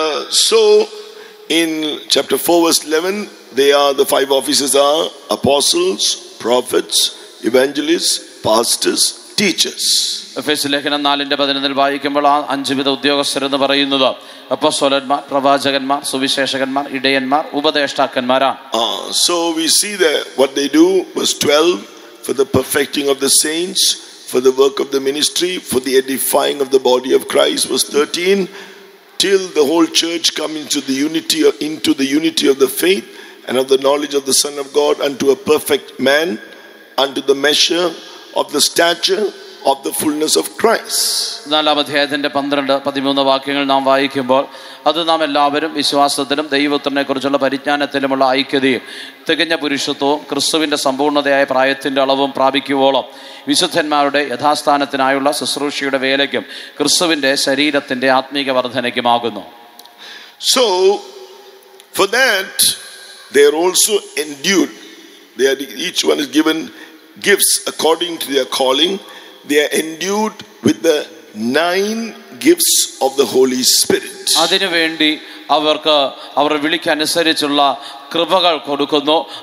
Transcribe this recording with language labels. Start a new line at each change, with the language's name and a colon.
English: So in chapter 4 verse 11 they are, the five officers are apostles, prophets, evangelists, pastors, teachers.
Malayalam: എഫേസ്യ ലേഖനം നാലിന്റെ 11-ൽ വായിക്കുമ്പോൾ ആ അഞ്ച് വിധ ഉദ്യോഗസ്ഥർ എന്ന് പറയുന്നത് അപ്പോസ്തലന്മാർ, പ്രവാചകന്മാർ, സുവിശേഷകന്മാർ, ഇടയന്മാർ, ഉപദേഷ്ടാക്കന്മാരാണ്.
English: So we see that what they do, verse 12, for the perfecting of the saints, for the work of the ministry, for the edifying of the body of Christ, verse 13, till the whole church come into the unity of the faith and of the knowledge of the Son of God, unto a perfect man, unto the measure of the stature of the fullness of Christ.
Malayalam: നാലാമധ്യായത്തിന്റെ 12-13 വാക്യങ്ങൾ നാം വായിക്കുമ്പോൾ അത് നാം എല്ലാവരും വിശ്വാസത്തിലും ദൈവത്തിനെ കുറിച്ചുള്ള പരിജ്ഞാനത്തിലുമുള്ള ഐക്യതയും തികഞ്ഞ പുരുഷത്വവും ക്രിസ്തുവിന്റെ സമ്പൂർണതയായ പ്രായത്തിന്റെ അളവും പ്രാപിക്കുവോളം വിശുദ്ധന്മാരുടെ യഥാസ്ഥാനത്തിനായുള്ള ശുശ്രൂഷയുടെ വേലയ്ക്കും ക്രിസ്തുവിന്റെ ശരീരത്തിന്റെ ആത്മീക വർദ്ധനയ്ക്കുമാകുന്നു.
English: So for that they are also endued, they are, each one is given gifts according to their calling. They are endued with the 9 gifts of the Holy Spirit.
Malayalam: അതിനു വേണ്ടി അവർക്ക് അവരുടെ വിളിക്ക് അനുസരിച്ചുള്ള കൃപകൾ കൊടുക്കുന്നു.